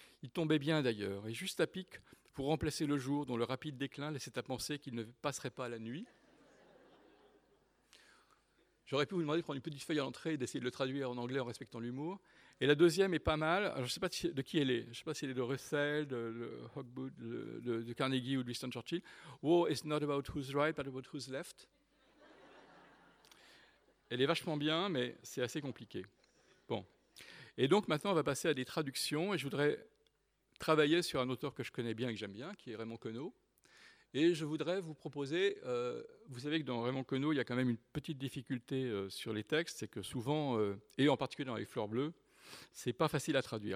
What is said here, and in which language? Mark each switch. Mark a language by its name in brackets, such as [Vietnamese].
[French] Il tombait bien d'ailleurs. Et juste à pic, pour remplacer le jour dont le rapide déclin laissait à penser qu'il ne passerait pas la nuit. J'aurais pu vous demander de prendre une petite feuille à l'entrée et d'essayer de le traduire en anglais en respectant l'humour. Et la deuxième est pas mal. Alors, je ne sais pas de qui elle est. Je ne sais pas si elle est de Russell, de Hogwood, de Carnegie ou de Winston Churchill. [English] War is not about who's right, but about who's left. [French] Elle est vachement bien, mais c'est assez compliqué. Bon. Et donc maintenant, on va passer à des traductions. Et je voudrais travailler sur un auteur que je connais bien et que j'aime bien, qui est Raymond Queneau. Et je voudrais vous proposer, vous savez que dans Raymond Queneau, il y a quand même une petite difficulté sur les textes, c'est que souvent, et en particulier dans Les Fleurs Bleues, c'est pas facile à traduire.